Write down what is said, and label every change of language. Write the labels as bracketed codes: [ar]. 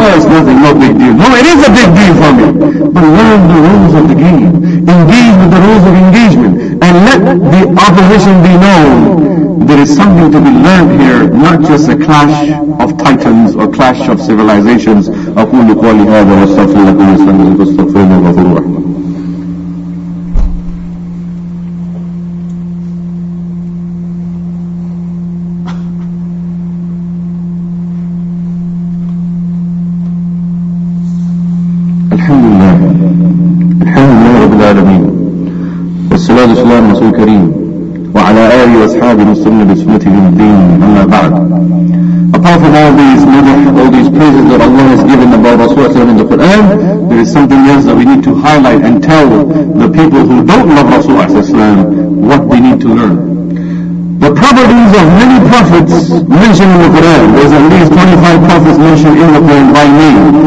[en] Oh, it's nothing, no big deal. No, it is a big deal for me. But learn the rules of the game. Engage with the rules of engagement. And let the opposition be known. There is something to be learned here, not just a clash of titans or clash of civilizations. [ar] أقول قولي هذا واستغفر لكم واستغفر الله واستغفر الغفور الرحيم. الحمد لله الحمد لله رب العالمين والصلاة والسلام على رسول الكريم وعلى آله وأصحابه وسلم بسنته الدين أما بعد. [en] Apart from all these madh, all these praises that Allah has given about Rasulullah in the Quran, there is something else that we need to highlight and tell the people who don't love Rasulullah what they need to learn. The properties of many prophets mentioned in the Quran, there's at least 25 prophets mentioned in the Quran by name.